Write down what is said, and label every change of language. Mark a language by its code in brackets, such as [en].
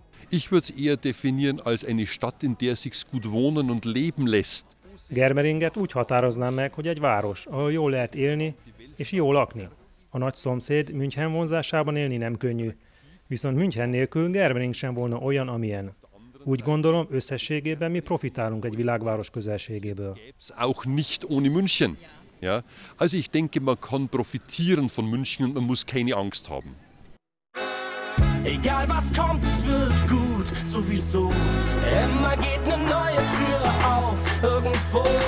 [de] Ich würde eher definieren als eine Stadt, in der sich's gut wohnen und leben lässt. [hu] Germeringet úgy határoznám meg, hogy egy város, ahol jól lehet élni és jól lakni. A nagy szomszéd München vonzásában élni nem könnyű, viszont München nélkül Germering sem volna olyan, amilyen. Úgy gondolom, összességében mi profitálunk egy világváros közelségéből. [de] Auch nicht ohne München. Ja? Also ich denke, man kann profitieren von München und man muss keine Angst haben. Egal was kommt, es wird gut, sowieso. Immer geht eine neue Tür auf, irgendwo.